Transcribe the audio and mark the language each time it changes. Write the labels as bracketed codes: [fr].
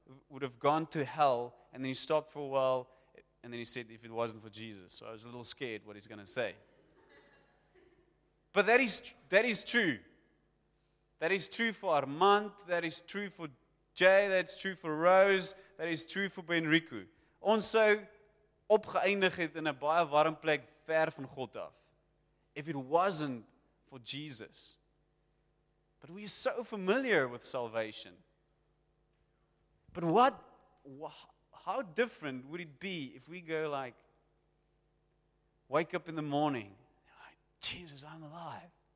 [en] would have gone to hell, and then he stopped for a while, and then he said, if it wasn't for Jesus. So I was a little scared what he's going to say. But that is true. That is true for Armand, that is true for Jay, that's true for Rose, that is true for Ben Riku. Also, [af] opgeëindig het in 'n baie warm plek ver van God af. [en] If it wasn't for Jesus. But we are so familiar with salvation. But what, how different would it be if we go like, wake up in the morning, like, Jesus, I'm alive.